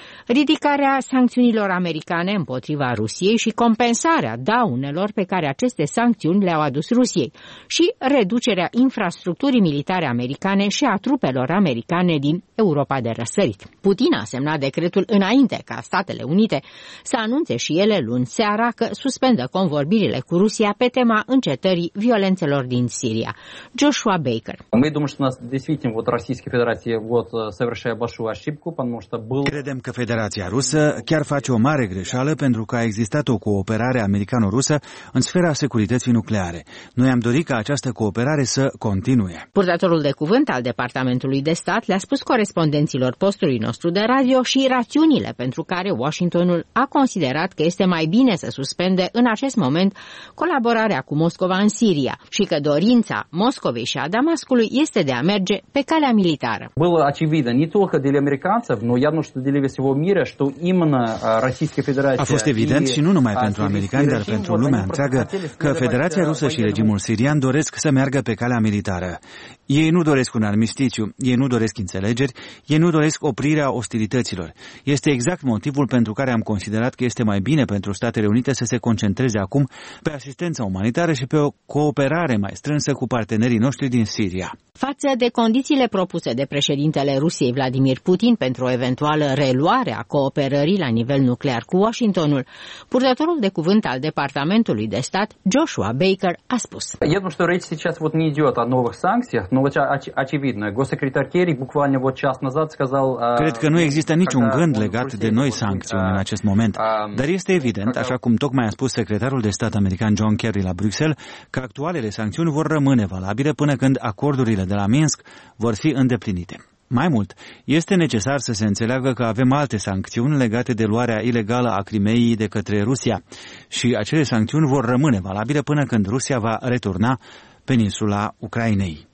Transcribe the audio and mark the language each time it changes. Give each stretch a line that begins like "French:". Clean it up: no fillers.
Romanian: Ridicarea sancțiunilor americane împotriva Rusiei și compensarea daunelor pe care aceste sancțiuni le-au adus Rusiei și reducerea infrastructurii militare americane și a trupelor americane din Europa de răsărit. Putin a semnat decretul înainte ca Statele Unite să anunțe și ele luni seara că suspendă convorbirile cu Rusia pe tema încetării violențelor din Siria. Joshua Baker.
Russian: Мы думаем, что нас действительно вот Российская Федерация вот совершает большую ошибку, потому что был
Romanian: Credem că Federația Rusă chiar face o mare greșeală pentru că a existat o cooperare americano-rusă în sfera securității nucleare. Noi am dorit ca această cooperare să continue. Purtătorul de cuvânt al Departamentului de Stat le-a spus corespondenților postului nostru de radio și rațiunile pentru care Washingtonul a considerat că este mai bine să suspende în acest moment colaborarea cu Moscova în Siria și că dorința Moscovei și a Damascului este de a merge pe calea militară.
Russian: Было очевидно не только для американцев, но явно что для всего мира, что именно Российская Федерация.
Romanian: A fost evident și nu numai pentru americani, dar pentru lumea întreagă că Federația Rusă și regimul sirian doresc să meargă pe calea militară. Ei nu doresc un armisticiu, ei nu doresc înțelegeri, ei nu doresc oprirea ostilităților. Este exact motivul pentru care am considerat că este mai bine pentru Statele Unite să se concentreze acum pe asistența umanitară și pe o cooperare mai strânsă cu partenerii noștri din Siria. Față de condițiile propuse de președintele Rusiei Vladimir Putin pentru o eventuală reluare a cooperării la nivel nuclear cu Washingtonul, purtătorul de cuvânt al Departamentului de Stat, Joshua Baker, a spus. Eu nu știu,
Russian: речь сейчас вот не идет о новых санкциях, но вот очевидно, госсекретарь Керри буквально вот час назад сказал.
Romanian: Cred că nu există niciun gând legat de noi sancțiuni în acest moment, dar este evident, așa cum tocmai a spus secretarul de stat american John Kerry la Bruxelles, că actualele sancțiuni vor rămâne valabile până când acordul de la Minsk vor fi îndeplinite. Mai mult, este necesar să se înțeleagă că avem alte sancțiuni legate de luarea ilegală a Crimeei de către Rusia și acele sancțiuni vor rămâne valabile până când Rusia va returna peninsula Ucrainei.